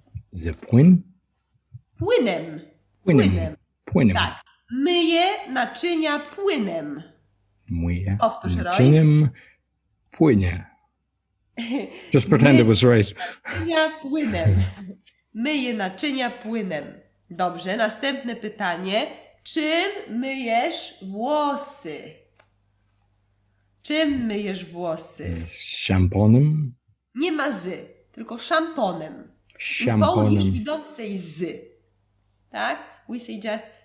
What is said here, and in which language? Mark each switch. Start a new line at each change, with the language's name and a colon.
Polish: Ze płyn? Płynem. Płynem. Tak. Myję naczynia płynem. Myję. Powtórz, naczyniem Roy. Płynie.
English: Just pretend it was right.
Polish: Naczynia płynem. Myję naczynia płynem. Dobrze, następne pytanie. Czym myjesz włosy? Czym myjesz włosy? Z szamponem? Nie ma z, tylko szamponem. Szamponem.
English: Polish, we don't say z. Tak? We say just